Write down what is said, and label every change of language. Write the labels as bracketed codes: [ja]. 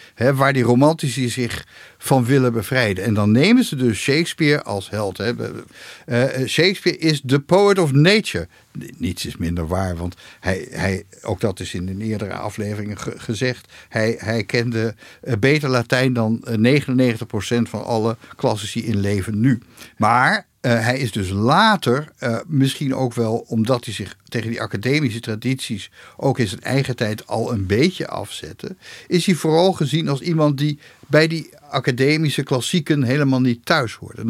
[nl] Hè, waar die romantici zich van willen bevrijden. En dan nemen ze dus Shakespeare als held. Hè. [en] Shakespeare is the poet of nature. [nl] Niets is minder waar, want hij ook dat is in een eerdere aflevering gezegd. Hij kende beter Latijn dan 99% van alle klassici in leven nu. Maar hij is dus later, misschien ook wel omdat hij zich tegen die academische tradities ook in zijn eigen tijd al een beetje afzette, is hij vooral gezien als iemand die bij die academische klassieken helemaal niet thuis hoort.